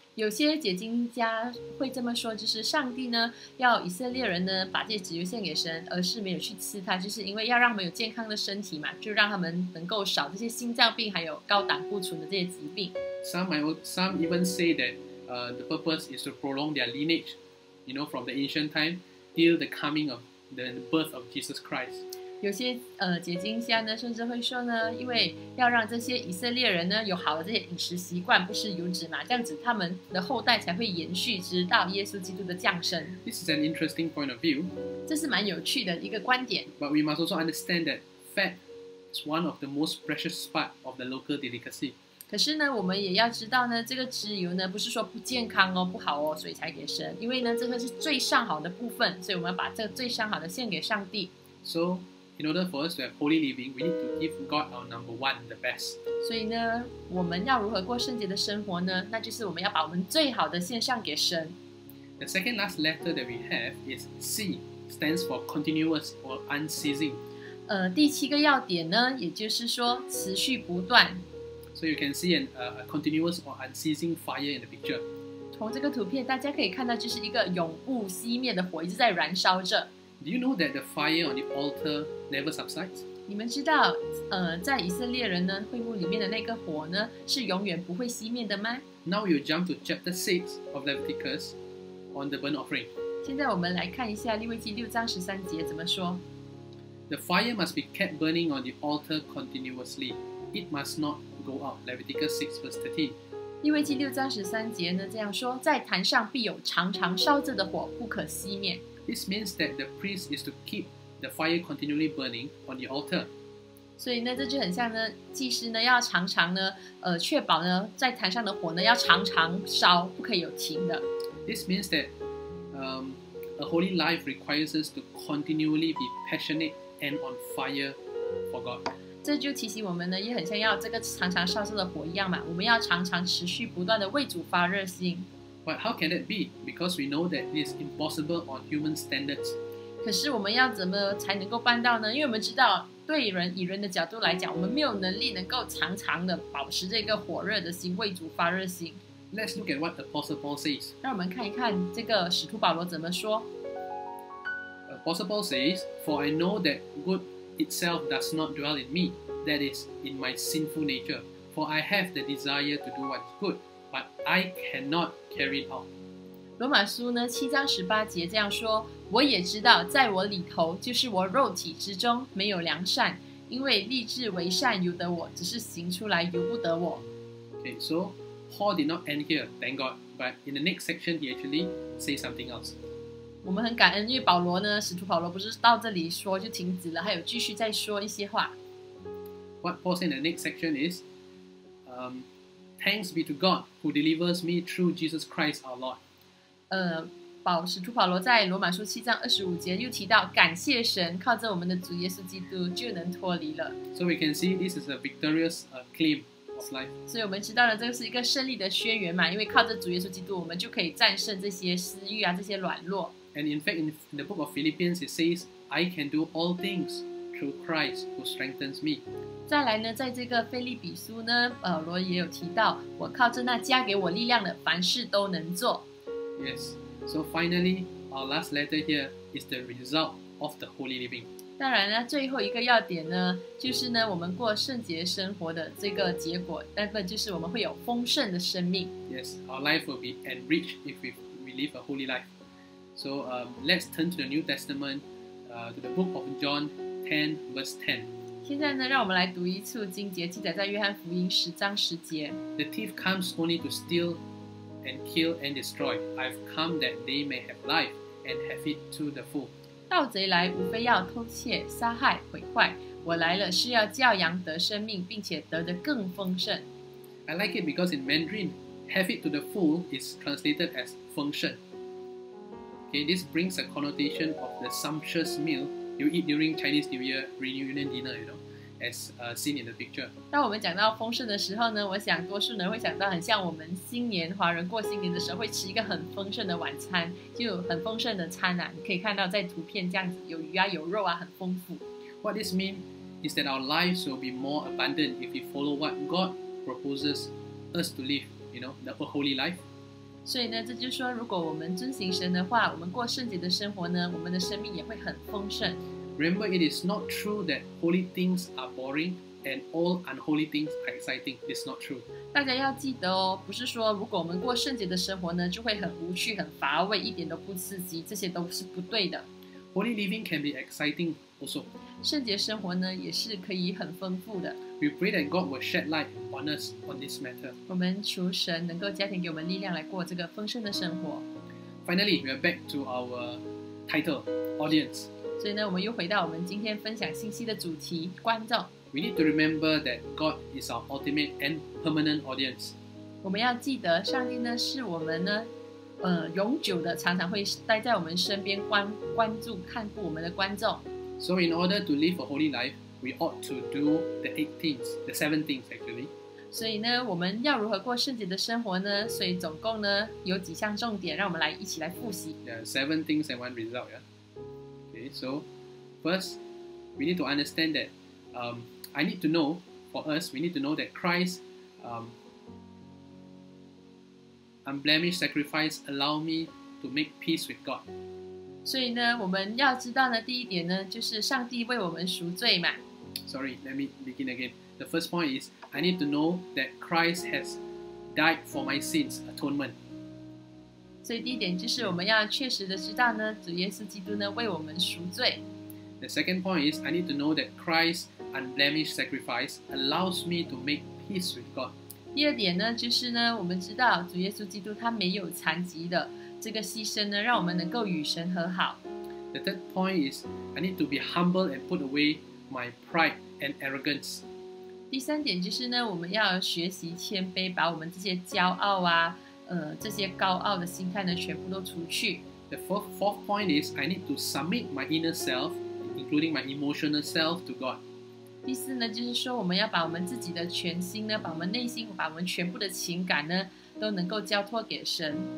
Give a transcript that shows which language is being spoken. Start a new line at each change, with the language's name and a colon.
Chinese: 有些解经家会这么说，就是上帝呢要以色列人呢把这些脂油献给神，而是没有去吃它，就是因为要让他们有健康的身体嘛，就让他们能够少这些心脏病还有高胆固醇的这些疾病。
English: Some even say that the purpose is to prolong their lineage, you know, from the ancient time till the coming of the birth of Jesus Christ.
Chinese: 有些解经家呢，甚至会说呢，因为要让这些以色列人呢有好的这些饮食习惯，不吃油脂嘛，这样子他们的后代才会延续，直到耶稣基督的降生。
English: This is an interesting point of view.
Chinese: 这是蛮有趣的一个观点。
English: But we must also understand that fat is one of the most precious part of the local delicacy.
Chinese: 可是呢，我们也要知道呢，这个脂油呢不是说不健康哦、不好哦，所以才给神，因为呢，这个是最上好的部分，所以我们要把这个最上好的献给上帝。
English: So. In order for us to have holy living, we need to give God our number one, the best.
Chinese: 所以呢，我们要如何过圣洁的生活呢？那就是我们要把我们最好的献上给神。
English: The second last letter that we have is C, stands for continuous or unceasing.
Chinese: 第七个要点呢，也就是说持续不断。
English: So you can see a continuous or unceasing fire in the picture.
Chinese: 从这个图片大家可以看到，就是一个永不熄灭的火一直在燃烧着。
English: Do you know that the fire on the altar never subsides?
Chinese: 你们知道，在以色列人呢会幕里面的那个火呢是永远不会熄灭的吗？
English: Now you jump to chapter 6 of Leviticus on the burnt offering.
Chinese: 现在我们来看一下利未记六章十三节怎么说。
English: The fire must be kept burning on the altar continuously. It must not go out. Leviticus 6 verse 13.
Chinese: 利未记六章十三节呢这样说，在坛上必有常常烧着的火，不可熄灭。
English: This means that the priest is to keep the fire continually burning on the altar.
Chinese: 所以呢，这就很像呢，祭司呢要常常呢，确保呢，在坛上的火呢要常常烧，不可以有停的。
English: This means that a holy life requires us to continually be passionate and on fire for God.
Chinese: 这就提醒我们呢，也很像要这个常常烧着的火一样嘛，我们要常常持续不断的为主发热心。
English: But how can that be? Because we know that it is impossible on human standards.
Chinese: 可是我们要怎么才能够办到呢？因为我们知道，对人以人的角度来讲，我们没有能力能够常常的保持这个火热的心，为主发热心。
English: Let's look at what Apostle Paul says.
Chinese: 让我们看一看这个使徒保罗怎么说。
English: Apostle Paul says, For I know that good itself does not dwell in me, that is, in my sinful nature. For I have the desire to do what is good, but I cannot carry it out.
Chinese: 罗马书呢七章十八节这样说，我也知道在我里头就是我肉体之中没有良善，因为立志为善由得我，只是行出来由不得我。
English: Okay, so Paul did not end here, thank God. But in the next section, he actually says something else.
Chinese: 我们很感恩，因为保罗呢，使徒保罗不是到这里说就停止了，还有继续再说一些话。
English: What Paul said in the next section is, Thanks be to God who delivers me through Jesus Christ our Lord.
Chinese: 使徒保罗在罗马书七章二十五节又提到，感谢神，靠着我们的主耶稣基督就能脱离了。
English: So we can see this is a victorious claim of life.
Chinese: 所以我们知道了这是一个胜利的宣言嘛，因为靠着主耶稣基督，我们就可以战胜这些私欲啊，这些软弱。
English: And in fact, in the book of Philippians, it says, I can do all things through Christ who strengthens me.
Chinese: 再来呢，在这个腓立比书呢，保罗也有提到，我靠着那加给我力量的，凡事都能做。
English: Yes. So finally, our last letter here is the result of the holy living.
Chinese: 当然了，最后一个要点呢，就是呢，我们过圣洁生活的这个结果，那么就是我们会有丰盛的生命。
English: Yes, our life will be enriched if we live a holy life. So let's turn to the New Testament, to the book of John 10, verse 10.
Chinese: 现在呢，让我们来读一处经节，记载在约翰福音十章十节。
English: The thief comes only to steal. And kill and destroy. I've come that they may have life and have it to the full.
Chinese: 盗贼来无非要偷窃、杀害、毁坏。我来了是要叫羊得生命，并且得得更丰盛。
English: I like it because in Mandarin, "have it to the full" is translated as "function." Okay, this brings a connotation of the sumptuous meal you eat during Chinese New Year reunion dinner. You know. As seen in the picture.
Chinese: 当我们讲到丰盛的时候呢，我想多数人会想到很像我们新年华人过新年的时候会吃一个很丰盛的晚餐，就很丰盛的餐啊。你可以看到在图片这样子，有鱼啊，有肉啊，很丰富。
English: What this means is that our lives will be more abundant if we follow what God proposes us to live. You know, the holy life.
Chinese: 所以呢，这就是说，如果我们遵行神的话，我们过圣洁的生活呢，我们的生命也会很丰盛。
English: Remember, it is not true that holy things are boring and all unholy things are exciting. It's not true.
Chinese: 大家要记得哦，不是说如果我们过圣洁的生活呢，就会很无趣、很乏味，一点都不刺激，这些都是不对的。
English: Holy living can be exciting also.
Chinese: 圣洁生活呢，也是可以很丰富的。
English: We pray that God will shed light on us on this matter.
Chinese: 我们求神能够加添给我们力量来过这个丰盛的生活。
English: Finally, we are back to our title, audience.
Chinese: 所以呢，我们又回到我们今天分享信息的主题，观众。
English: We need to remember that God is our ultimate and permanent audience.
Chinese: 我们要记得，上帝呢是我们呢，永久的，常常会待在我们身边关注、看顾我们的观众。
English: So in order to live a holy life, we ought to do the eight things, the seven things actually.
Chinese: 所以呢，我们要如何过圣洁的生活呢？所以总共呢有几项重点，让我们来一起来复习。
English: Yeah, seven things and one result, yeah. So, first, we need to understand that we need to know that Christ's unblemished sacrifice allow me to make peace with God.
Chinese: 所以呢，我们要知道呢，第一点呢，就是上帝为我们赎罪嘛。
English: Sorry, let me begin again. The first point is, I need to know that Christ has died for my sins, atonement.
Chinese: 所以第一点就是我们要确实的知道呢，主耶稣基督呢为我们赎罪。
English: The second point is I need to know that Christ's unblemished sacrifice allows me to make peace with God.
Chinese: 第二点呢，就是呢，我们知道主耶稣基督他没有残疾的这个牺牲呢，让我们能够与神和好。
English: The third point is I need to be humble and put away my pride and arrogance.
Chinese: 第三点就是呢，我们要学习谦卑，把我们这些骄傲啊。这些高傲的心态呢，全部都除去。
English: The fourth point is I need to submit my inner self, including my emotional self, to God. 第四呢，就是说我们要把我们自己的全心呢，把我们内心，把我们全部的情感呢，都能够交托给神。